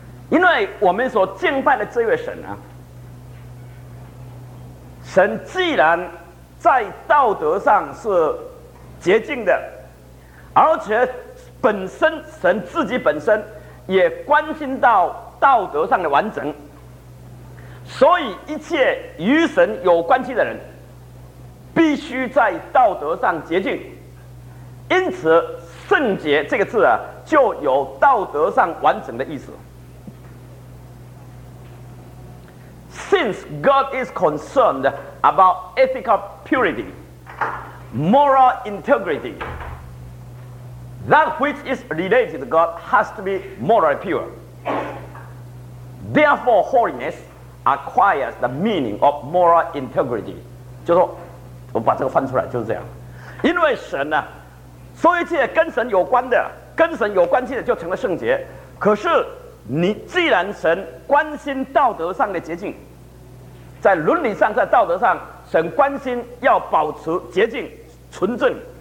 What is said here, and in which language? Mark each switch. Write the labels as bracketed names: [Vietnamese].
[Chinese] 因为我们所敬拜的这位神啊，神既然在道德上是洁净的，而且本身神自己本身也关心到道德上的完整，所以一切与神有关系的人必须在道德上洁净，因此圣洁这个字啊，就有道德上完整的意思。 [English] Since God is concerned about ethical purity, moral integrity, that which is related to God has to be morally pure. Therefore, holiness acquires the meaning of moral integrity. [Chinese] 就说我把这个翻出来就是这样，因为神呢、啊，所有一切跟神有关的、跟神有关系的就成了圣洁。可是你既然神关心道德上的洁净，在伦理上、在道德上，神关心要保持洁净、纯正。